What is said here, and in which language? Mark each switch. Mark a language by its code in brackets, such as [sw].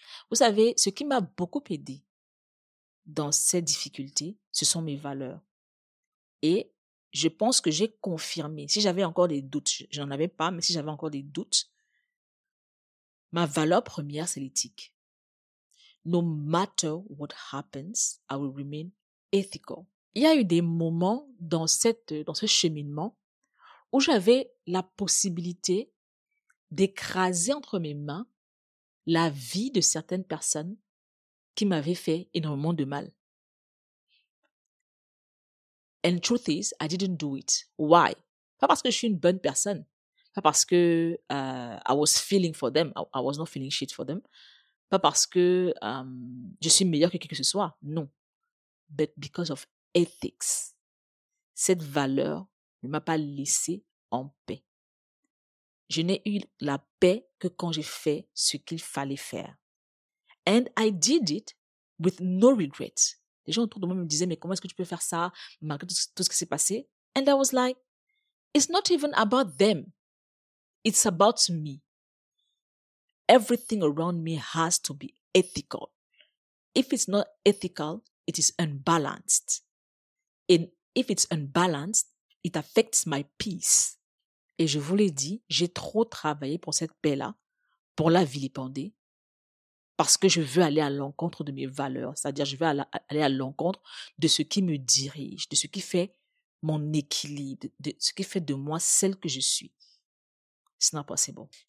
[fr] Vous savez, ce qui m'a beaucoup aidée dans cette difficulté, ce sont mes valeurs. Et je pense que j'ai confirmé, si j'avais encore des doutes, je n'en avais pas, mais si j'avais encore des doutes, ma valeur première, c'est l'éthique. [en] No matter what happens, I will remain ethical. [fr] Il y a eu des moments dans ce cheminement où j'avais la possibilité d'écraser entre mes mains la vie de certaines personnes qui m'avaient fait énormément de mal. [en] And truth is, I didn't do it. Why? [fr] Pas parce que je suis une bonne personne. Pas parce que [en] I was feeling for them. I was not feeling shit for them. [fr] Pas parce que je suis meilleure que qui que ce soit. Non. [en] But because of ethics. [fr] Cette valeur ne m'a pas laissée en paix. Je n'ai eu la paix que quand j'ai fait ce qu'il fallait faire. [en] And I did it with no regrets. [fr] Les gens autour de moi me disaient, mais comment est-ce que tu peux faire ça malgré tout ce qui s'est passé? [en] And I was like, it's not even about them. It's about me. Everything around me has to be ethical. If it's not ethical, it is unbalanced. And if it's unbalanced, it affects my peace. [fr] Et je vous l'ai dit, j'ai trop travaillé pour cette paix-là, pour la vilipender. Parce que je veux aller à l'encontre de mes valeurs, c'est-à-dire je veux aller à l'encontre de ce qui me dirige, de ce qui fait mon équilibre, de ce qui fait de moi celle que je suis. Ce n'est pas assez bon.